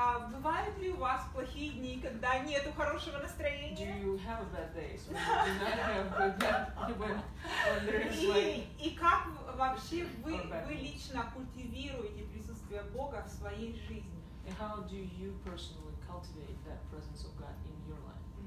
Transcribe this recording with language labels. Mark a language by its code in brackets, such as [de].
[ru] Бывают ли у вас плохие дни, когда нету хорошего настроения? [en] Do you have bad days? Do you not have good days when there is [ru] вообще вы лично культивируете присутствие Бога в своей жизни? [en] And how do you personally cultivate that presence of God in your life?